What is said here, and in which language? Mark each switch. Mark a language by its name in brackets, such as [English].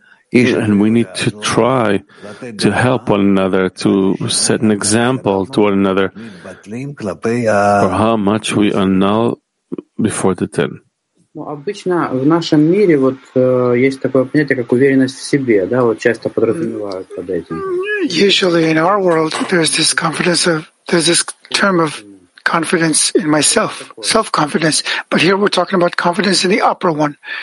[English] And we need to try to help one another, to set an example to one another for how much we annul before the ten. [Russian] Обычно в нашем мире вот есть такое понятие, как уверенность в себе, да, вот часто подразумевают под этим. [English] Usually in our world there's this confidence of, there's this term of confidence in myself, self-confidence. But here we're talking about confidence in the upper one.